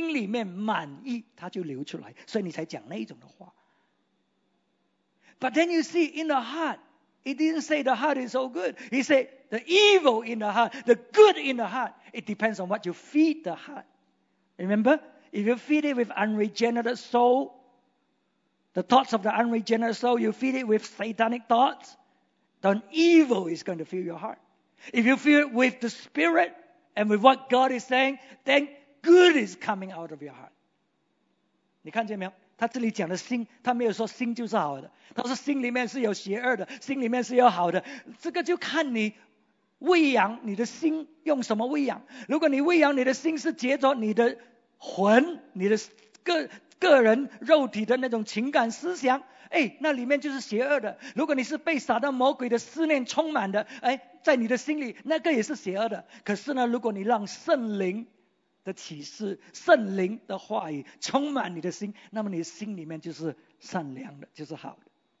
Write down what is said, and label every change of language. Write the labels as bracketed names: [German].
[Chinese] 因为你心里面满意,它就流出来, 所以你才讲那一种的话。 [English] But then you see, in the heart, it didn't say the heart is so good. He said the evil in the heart, the good in the heart, it depends on what you feed the heart. Remember? If you feed it with unregenerate soul, the thoughts of the unregenerate soul, you feed it with satanic thoughts, then evil is going to fill your heart. If you feed it with the Spirit and with what God is saying, then good is coming out of your heart. [Chinese] 你看见没有? 他这里讲的心, 他没有说心就是好的, 他说心里面是有邪恶的, 心里面是有好的, 这个就看你喂养, 你的心用什么喂养, 如果你喂养你的心是接着, 你的魂, 你的个人肉体的那种情感思想, 哎, 那里面就是邪恶的, 如果你是被撒旦魔鬼的思念充满的, 哎, 在你的心里, 那个也是邪恶的, 可是呢, 如果你让圣灵, 的启示, 圣灵的话语, 充满你的心, 那么你心里面就是善良的, 就是好的。